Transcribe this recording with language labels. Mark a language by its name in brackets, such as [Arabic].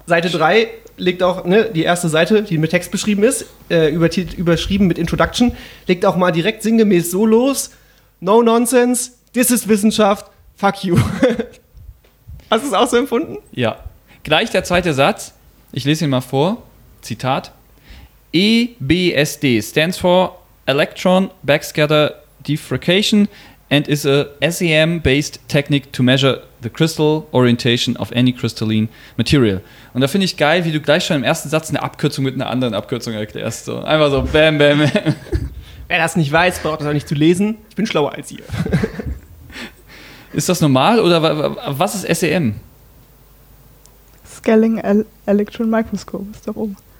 [German] Seite 3 legt auch, ne, die erste Seite, die mit Text beschrieben ist, überschrieben mit Introduction, legt auch mal direkt sinngemäß so los: No nonsense, this is Wissenschaft, fuck you. Hast du es auch so empfunden? Ja. Gleich der zweite Satz, ich lese ihn mal vor: Zitat. [English] EBSD stands for Electron Backscatter Diffraction and is a SEM-based technique to measure the crystal orientation of any crystalline material. [German] Und da finde ich geil, wie du gleich schon im ersten Satz eine Abkürzung mit einer anderen Abkürzung erklärst. So, einfach so bam, bam, bam. Wer das nicht weiß, braucht das auch nicht zu lesen. Ich bin schlauer als ihr. Ist das normal oder was ist SEM? Scaling Electron Microscope ist da oben.